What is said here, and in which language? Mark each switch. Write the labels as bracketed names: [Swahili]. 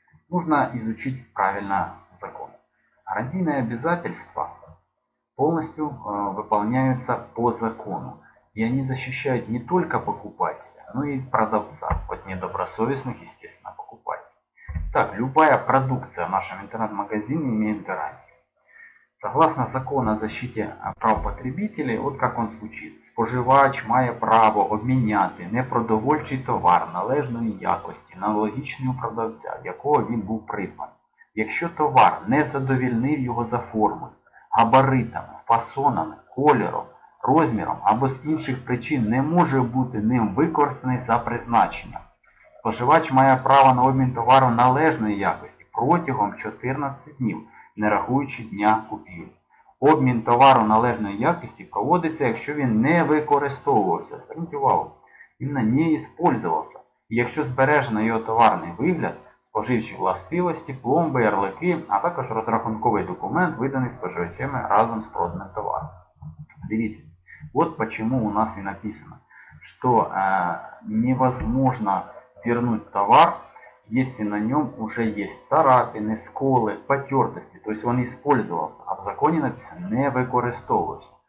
[Russian] Нужно изучить правильно закон. Гарантийные обязательства полностью выполняются по закону. И они защищают не только покупателя, но и продавца от недобросовестных, естественно, покупателей. Так, любая продукция в нашем интернет-магазине имеет гарантию. Согласно закону о защите прав потребителей, вот как он звучит. [Ukrainian] Споживач має право обміняти непродовольчий товар належної якості на аналогічний у продавця, якого він був придбаний. Якщо товар не задовільнив його за формою, габаритами, фасонами, кольором, розміром або з інших причин не може бути ним використаний за призначенням. Споживач має право на обмін товару належної якості протягом 14 днів, не рахуючи дня купівлі. Обмін товару належної якості проводиться, якщо він не використовувався, зверніть увагу, він не використовувався. І якщо збережено його товарний вигляд, споживчі властивості, пломби, ярлики, а також розрахунковий документ, виданий споживачами разом з проданим товаром. Дивіться, [Russian] вот почему у нас и написано, что невозможно вернуть товар, если на нем уже есть царапины, сколы, потертости, то есть он использовался, а в законе написано [Ukrainian] «не використовывался».